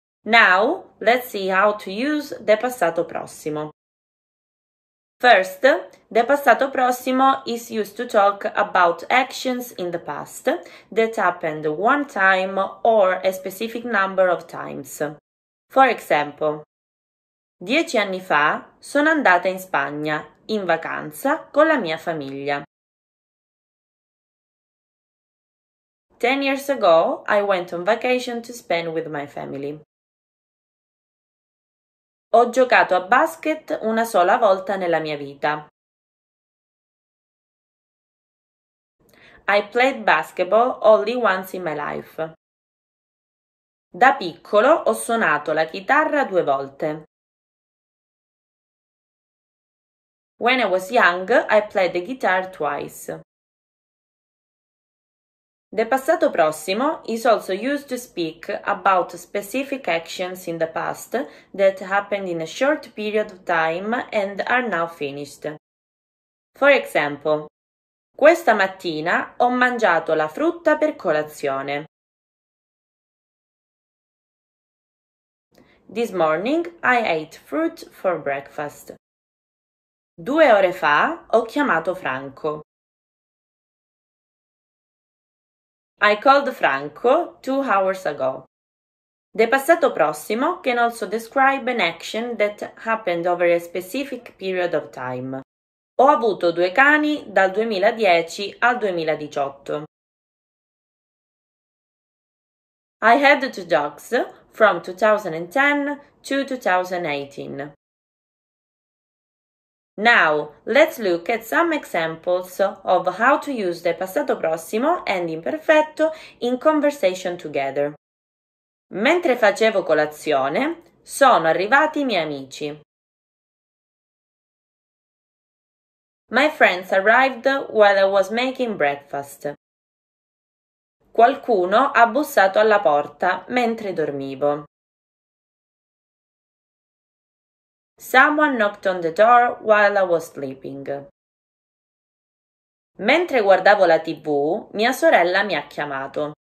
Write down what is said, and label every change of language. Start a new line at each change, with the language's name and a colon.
English: Now, let's see how to use the passato prossimo. First, the passato prossimo is used to talk about actions in the past that happened one time or a specific number of times. For example,
Italian: 10 anni fa sono andata in Spagna in vacanza con la mia famiglia.
English: 10 years ago, I went on vacation to Spain with my family.
Italian: Ho giocato a basket una sola volta nella mia vita.
English: I played basketball only once in my life.
Italian: Da piccolo ho suonato la chitarra 2 volte.
English: When I was young, I played the guitar 2 times. The passato prossimo is also used to speak about specific actions in the past that happened in a short period of time and are now finished. For example, questa mattina ho mangiato la frutta per colazione. This morning I ate fruit for breakfast.
Italian: 2 ore fa ho chiamato Franco.
English: I called Franco 2 hours ago. The passato prossimo can also describe an action that happened over a specific period of time.
Italian: Ho avuto 2 cani dal 2010 al 2018.
English: I had 2 dogs from 2010 to 2018. Now, let's look at some examples of how to use the passato prossimo and imperfetto in conversation together.
Italian: Mentre facevo colazione, sono arrivati i miei amici.
English: My friends arrived while I was making breakfast.
Italian: Qualcuno ha bussato alla porta mentre dormivo.
English: Someone knocked on the door while I was sleeping.
Italian: Mentre guardavo la TV, mia sorella mi ha chiamato.